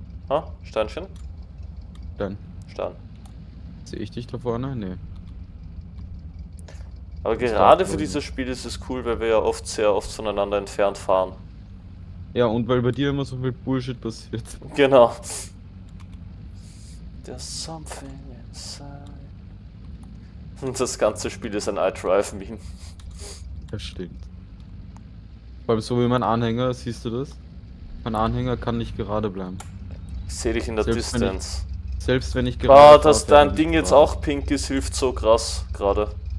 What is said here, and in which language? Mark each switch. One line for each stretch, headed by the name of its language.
German: Ha? Steinchen? Stein. Stein. Sehe ich dich da vorne? Nee. Aber gerade für dieses Spiel ist es cool, weil wir ja oft sehr oft voneinander entfernt fahren. Ja, und weil bei dir immer so viel Bullshit passiert. Genau.
English: There's something inside.
German: Und das ganze Spiel ist ein iDrive-Meme. Das stimmt. Vor allem so wie mein Anhänger, siehst du das? Mein Anhänger kann nicht gerade bleiben. Ich sehe dich in der Distance. Selbst wenn ich gerade. Oh, dass dein Ding jetzt auch pink ist, hilft so krass gerade.